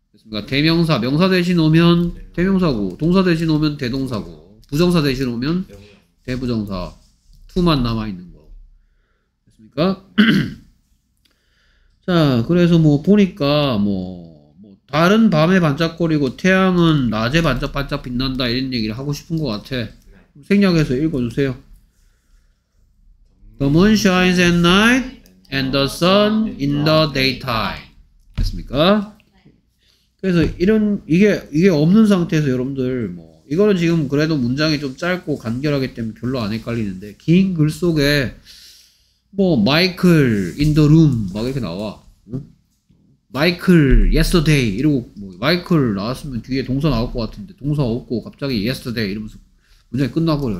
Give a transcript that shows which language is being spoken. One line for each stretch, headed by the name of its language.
Korean: 그러니까 대명사, 명사 대신 오면 대명사고 동사 대신 오면 대동사고 부정사 대신 오면 대부정사 투만 남아있는 거 됐습니까? 자 그래서 뭐 보니까 뭐 달은 밤에 반짝거리고 태양은 낮에 반짝반짝 빛난다 이런 얘기를 하고 싶은 것 같아. 생략해서 읽어주세요.
English: The moon shines at night and the sun in the daytime
Korean: 됐습니까? 그래서 이게 없는 상태에서 여러분들 뭐 이거는 지금 그래도 문장이 좀 짧고 간결하기 때문에 별로 안 헷갈리는데 긴 글 속에 뭐 마이클
English: in the room
Korean: 막 이렇게 나와. 응? 마이클 yesterday 이러고 뭐 마이클 나왔으면 뒤에 동사 나올 것 같은데 동사 없고 갑자기 yesterday 이러면서 문장이 끝나버려.